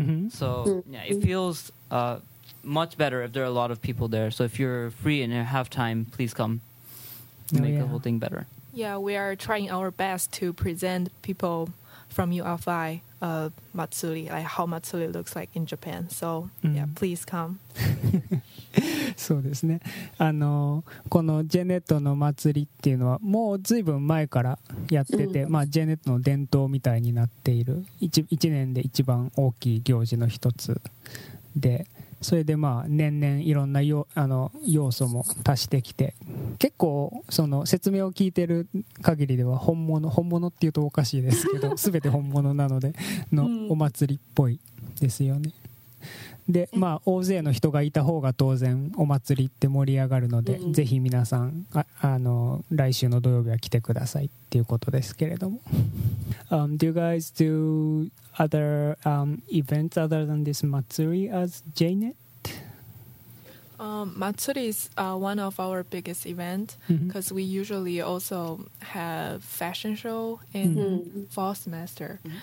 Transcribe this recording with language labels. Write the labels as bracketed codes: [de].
[en] So yeah, it feels much better if there are a lot of people there. So if you're free and you have time, please come to make the whole thing better. Yeah, we are trying our best to present people from UFI Matsuri, like how Matsuri looks like in Japan. So yeah, please come. [ja] そうですね。このジェネットの祭りっていうのはもうずいぶん前からやってて、まあ、ジェネットの伝統みたいになっている 1年で一番大きい行事の一つで、それでまあ年々いろんな要素も足してきて、結構その説明を聞いてる限りでは本物っていうとおかしいですけど、全て本物なのでのお祭りっぽいですよね。で、まあ、大勢の人がいた方が当然お祭りって盛り上がるので、ぜひ皆さん来週の土曜日は来てくださいっていうことですけれども。 [en] Do you guys do other events other than this Matsuri as JNET? Matsuri is one of our biggest events because we usually also have fashion show in fall semester.